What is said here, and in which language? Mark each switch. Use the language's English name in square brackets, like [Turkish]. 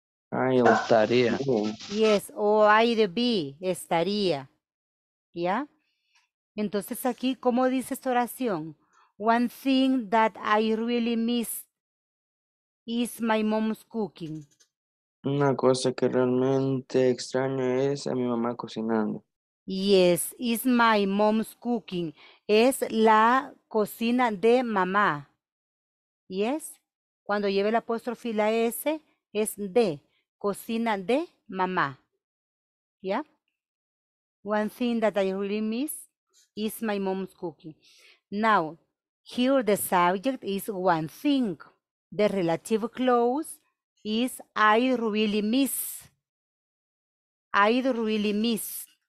[Spanish] Estaría. [English] Yes, o I'd be, [Spanish] estaría. [English] Yeah? [Spanish] Entonces aquí, ¿cómo dice esta oración? [English] One thing that I really miss is my mom's cooking. [Spanish] Una cosa que realmente extraño es a mi mamá cocinando. [English] Yes, is my mom's cooking. [Spanish] Es la cocina de mamá. [English] Yes, [Spanish] cuando lleve el apóstrofe la S, es de, cocina de mamá. [English] Yeah. One thing that I really miss is my mom's cooking. Now, here the subject is one thing. The relative clause is I really miss. I really miss.